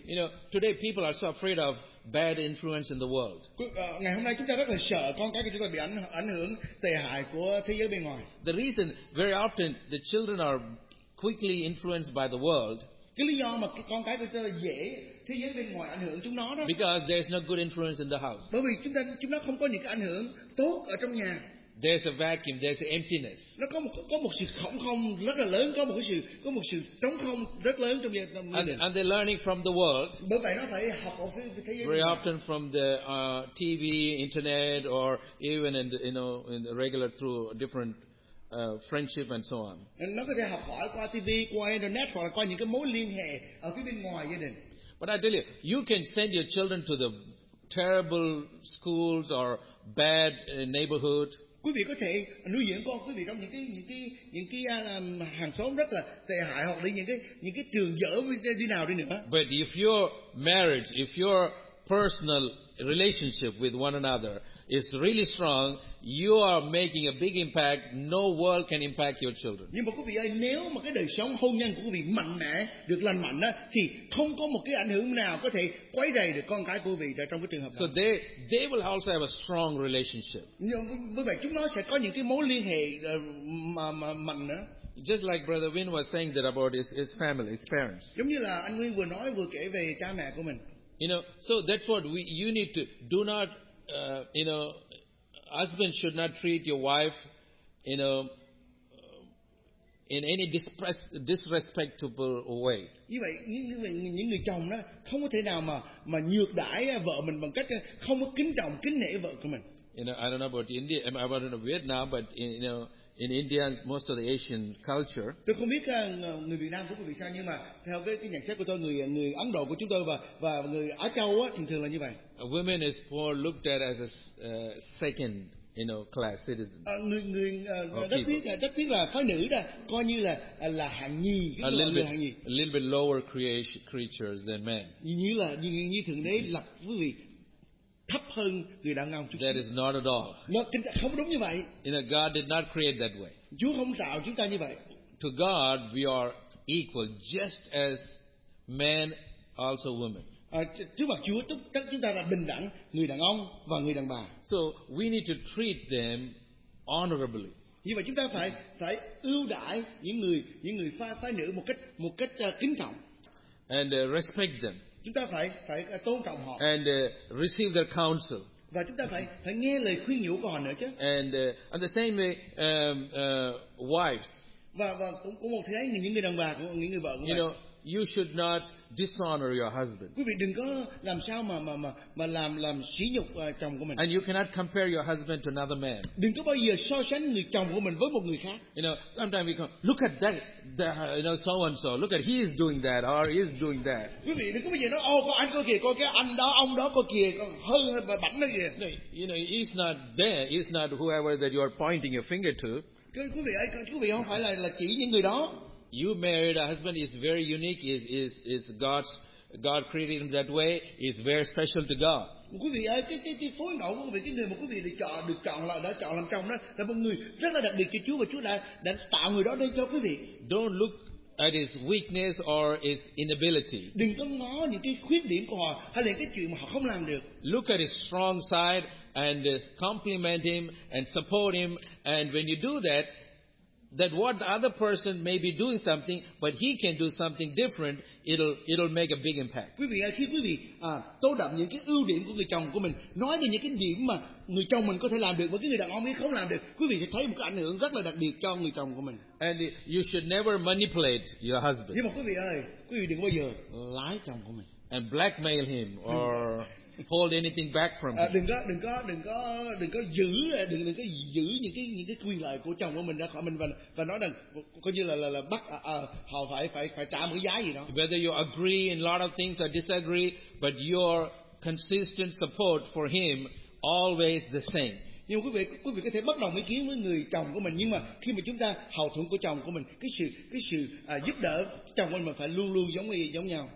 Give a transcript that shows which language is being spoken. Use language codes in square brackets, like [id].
[en] You know, today people are so afraid of bad influence in the world. [vi] Ngày hôm nay chúng ta rất là sợ con cái của chúng ta bị ảnh hưởng tệ hại của thế giới bên ngoài. [en] The reason very often the children are quickly influenced by the world. [vi] Cái lý do mà con cái của chúng ta dễ thế giới bên ngoài ảnh hưởng chúng nó đó. [en] Because there's no good influence in the house. [vi] Bởi vì chúng nó không có những cái ảnh hưởng tốt ở trong nhà. [en] There's a vacuum, there's an emptiness. [vi] Nó có một sự khổng không rất là lớn, có một sự trống không rất lớn trong gia đình. [en] And they're learning from the world. [vi] Bởi vậy nó phải học ở phía thế giới. [en] Very often from the TV, internet, or even in the, you know, in the regular through different friendship and so on. [vi] And nó có thể học hỏi qua TV, qua internet hoặc là qua những cái mối liên hệ ở phía bên ngoài gia đình. [en] But I tell you, you can send your children to the terrible schools or bad neighborhood. [vi] Quý vị có thể nuôi dưỡng con quý vị trong những cái hàng xóm rất là tệ hại hoặc là những cái trường dở đi nào đi nữa. [en] But if your marriage, if your personal relationship with one another is really strong, you are making a big impact. No world can impact your children. [vi] Nhưng mà quý vị ơi, nếu mà cái đời sống hôn nhân của quý vị mạnh mẽ, được lành mạnh đó, thì không có một cái ảnh hưởng nào có thể quấy rầy được con cái của quý vị trong cái trường hợp đó. [en] So they will also have a strong relationship. [vi] Nhưng bởi vậy chúng nó sẽ có những cái mối liên hệ mà mạnh nữa. [en] Just like Brother Win was saying that about his family, his parents. [vi] Giống như là anh Nguyên vừa nói vừa kể về cha mẹ của mình. [en] You know, so that's what you need to do. Not, you know, husband should not treat your wife, you know, in any disrespectful way. [vi] Như vậy, những người chồng đó không có thể nào mà nhược đãi vợ mình bằng cách không có kính trọng, kính nể vợ của mình. [en] You know, I don't know about India, I don't know Vietnam, but you know, in India, most of the Asian culture. [vi] Tôi không biết người Việt Nam của quý vị sao, nhưng mà theo cái nhận xét của tôi, người Ấn Độ của chúng tôi và người Á Châu á, thường là như vậy. [en] A woman is more looked at as a second, you know, class citizen. [vi] Người đất tiếc là phái nữ đó, coi như là hạng nhì, hạng nhì. [en] A little bit lower creatures than men. [vi] Như thượng đế lập quý vị thấp hơn người đàn ông. [en] That is not at all. [vi] Nó không đúng như vậy. [en] You know, God did not create that way. [vi] Chúa không tạo chúng ta như vậy. [en] To God, we are equal, just as men, also women. [vi] Trước mặt Chúa, tất chúng ta là bình đẳng, người đàn ông và người đàn bà. [en] So we need to treat them honorably. [vi] Như vậy chúng ta phải ưu đãi những người phái nữ một cách kính trọng. [en] And respect them. [vi] Chúng ta phải tôn trọng họ. [en] And receive their counsel. [vi] Và chúng ta phải nghe lời khuyên nhủ của họ nữa chứ. [en] And on the same way, wives. [vi] Và cũng một thế ấy, những người đàn bà cũng những người vợ. [en] You know, you should not dishonor your husband. [vi] Quý vị đừng có làm sao mà làm sỉ nhục chồng của mình. [en] And you cannot compare your husband to another man. [vi] Đừng có bao giờ so sánh người chồng của mình với một người khác. [en] You know, sometimes we come, look at that, you know, so and so. Look at he is doing that or he is doing that. [vi] Quý vị đừng có bao giờ nói, oh, có anh có kìa, có cái anh đó, ông đó có kìa, hơn và bảnh nữa kìa. [en] You know, he's not there. He's not whoever that you are pointing your finger to. [vi] Quý vị ơi, quý vị không phải là chỉ những người đó. [en] You married a husband is very unique, is God's God created him that way is very special to God. [vi] Quý vị ơi, cái phối ngẫu của quý vị, cái người mà quý vị được chọn là đã chọn làm chồng đó là một người rất là đặc biệt cho Chúa, và Chúa đã tạo người đó đây cho quý vị. [en] Don't look at his weakness or his inability. [vi] Đừng có ngó những cái khuyết điểm của họ hay là cái chuyện mà họ không làm được. [en] Look at his strong side and compliment him and support him, and when you do that, that what the other person may be doing something, but he can do something different, it'll make a big impact. [vi] Quý vị ơi, khi quý vị tô đậm những cái ưu điểm của người chồng của mình, nói về những cái điểm mà người chồng mình có thể làm được và cái người đàn ông ấy không làm được, quý vị sẽ thấy một cái ảnh hưởng rất là đặc biệt cho người chồng của mình. [en] And you should never manipulate your husband. [vi] Nhưng mà quý vị ơi, quý vị đừng bao giờ lái chồng của mình. [en] And blackmail him or hold anything back from him. [vi] Đừng có giữ những cái quyền lợi của chồng của mình ra khỏi mình và nói rằng coi như là bắt họ phải trả một giá gì đó. [en] Whether you agree in a lot of things or disagree, but your consistent support for him always the same. [vi] Nhưng quý vị có thể bất đồng ý kiến với người chồng của mình, nhưng mà khi mà chúng ta hậu thuẫn của chồng của mình, cái sự giúp đỡ chồng của mình phải luôn luôn giống nhau.